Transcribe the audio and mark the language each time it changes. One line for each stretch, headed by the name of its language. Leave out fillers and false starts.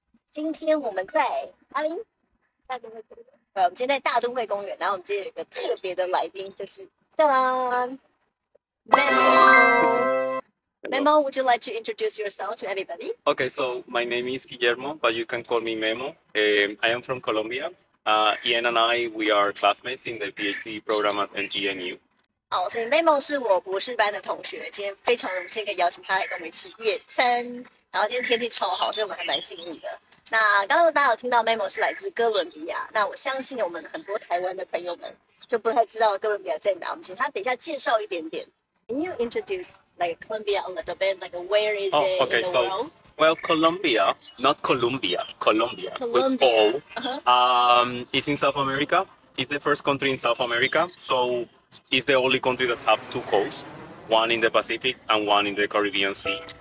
Chinese: 今天我们在大都会公园。我们今天在大都会公园，然后我们今天有一个特别的来宾，就是叫啦 ，Memo。
English: Memo, would you like to introduce yourself to everybody? Okay, so my name is Guillermo, but you can call me Memo. I am from Colombia. Ian and I, we are classmates in the PhD program at NTNU.
Chinese: 好，所以 Memo 是我博士班的同学，今天非常荣幸可以邀请他来跟我们一起野餐。然后今天天气超好，所以我们还蛮幸运的。那刚刚大家有听到 Memo 是来自哥伦比亚，那我相信我们很多台湾的朋友们就不太知道哥伦比亚在哪，我们请他等一下介绍一点点。
English: Can you introduce like Colombia a little bit? Like where is it in the world? Well, Colombia, not Colombia, Colombia, Colombia. With O, is in South America. It's the first country in South America. So it's the only country that have two coasts, one in the Pacific and one in the Caribbean Sea.